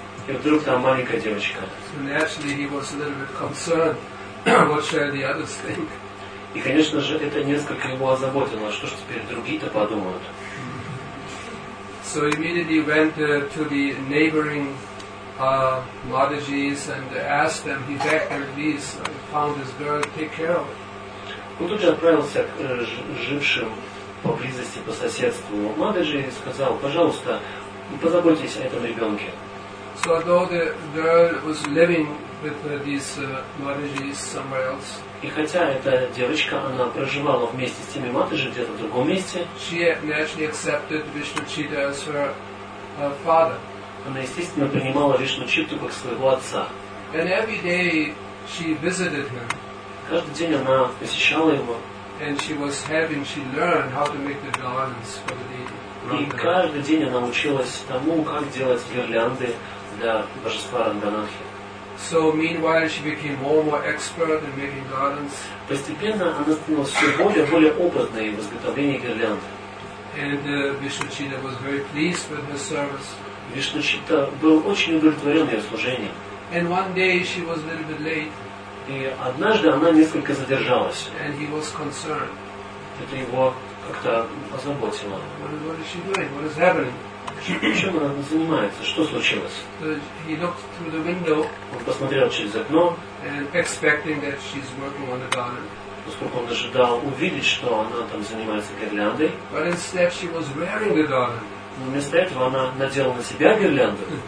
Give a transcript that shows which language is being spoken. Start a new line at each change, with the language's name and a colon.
Russian: И вдруг там маленькая девочка.
English: So naturally he was a little bit concerned. What shall the others think?
Russian: И, конечно же, это несколько его озаботило. Что ж теперь другие-то подумают?
English: So immediately went to the neighboring Madhajis and asked them, he begged their please, found this girl, take care of it.
Russian: Он тут же отправился к жившим поблизости по соседству Мадхаджи и сказал, пожалуйста, позаботьтесь о этом ребенке.
English: So although the girl was living with these Madhajis somewhere else,
Russian: и хотя эта девочка, она проживала вместе с теми матажи где-то в другом месте, она, естественно, принимала Вишну-читту как своего отца.
English: And every day she visited him.
Russian: Каждый день она посещала его. И каждый день она училась тому, как делать гирлянды для божества Ранганатхи.
English: So meanwhile she became more and more expert in making garlands.
Russian: Постепенно она становилась все более опытной в изготовлении гирлянд.
English: And Vishnuchitta was very pleased with her service.
Russian: Vishnuchitta был очень удовлетворен ее служением.
English: And one day she was a little bit late.
Russian: И однажды она несколько задержалась.
English: And he was concerned.
Russian: Это его как-то озаботило.
English: What is she doing? What is happening?
Russian: Чем она занимается? Что случилось?
English: He looked through the window.
Russian: Он посмотрел через окно.
English: And expecting that she's working on the garden.
Russian: Поскольку он ожидал увидеть, что она там занимается гирляндой.
English: But instead she was wearing the garland.
Russian: Но вместо этого она надела на себя гирлянду.